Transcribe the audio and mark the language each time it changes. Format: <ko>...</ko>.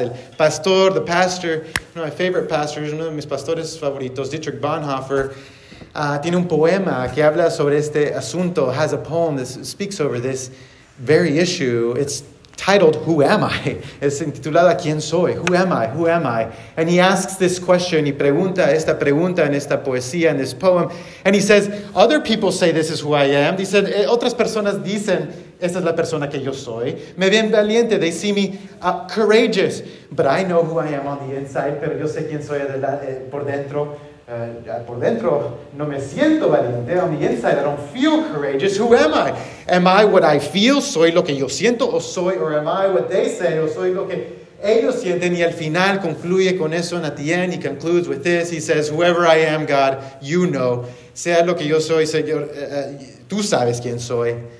<es>El pastor,</es> <en>the pastor, one of my favorite pastors,</en> <es>uno de mis pastores favoritos,</es> <en>Dietrich Bonhoeffer,</en> <es>tiene un poema que habla sobre este asunto,</es> <en>has a poem that speaks over this very issue. It's titled, Who Am I?</en> <es>Es intitulada, ¿Quién soy?</es> <en>Who am I? Who am I? And he asks this question,</en> <es>y pregunta esta pregunta en esta poesía, en</es> <en>this poem. And he says, other people say this is who I am.</en> <es>Dice, otras personas dicen, esta es la persona que yo soy. Me ven valiente,</es> <en>they see me courageous. But I know who I am on the inside,</en> <es>pero yo sé quién soy por dentro. Por dentro, no me siento valiente.</es> <en>On the inside, I don't feel courageous. Who am I? Am I what I feel?</en> <es>Soy lo que yo siento, o soy,</es> <en>or am I what they say?</en> <es>O soy lo que ellos sienten. Y al final concluye con eso.</es> <en>And at the end, he concludes with this. He says, "Whoever I am, God, you know.</en> <es>Sea lo que yo soy, Señor, tú sabes quién soy.</es>